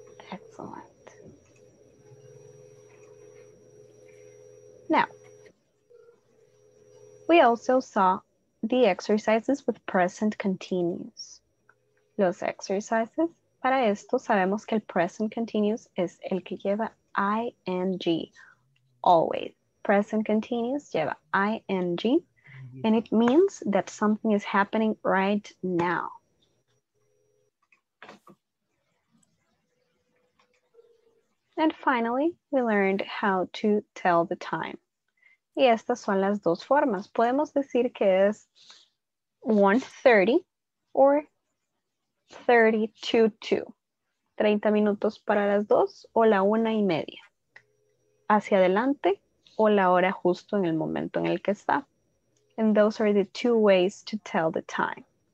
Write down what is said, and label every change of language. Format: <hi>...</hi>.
<en>Excellent. Now, we also saw the exercises with present continuous.</en> <es>Los exercises. Para esto sabemos que el present continuous es el que lleva ing,</es> <en>always. Present continuous lleva ing, and it means that something is happening right now. And finally, we learned how to tell the time.</en> <es>Y estas son las dos formas. Podemos decir que es 1:30</es> <en>or 30 to 2,</en> <es>30 minutos para las 2 o la 1:30, hacia adelante o la hora justo en el momento en el que está.</es> <en>And those are the two ways to tell the time.</en>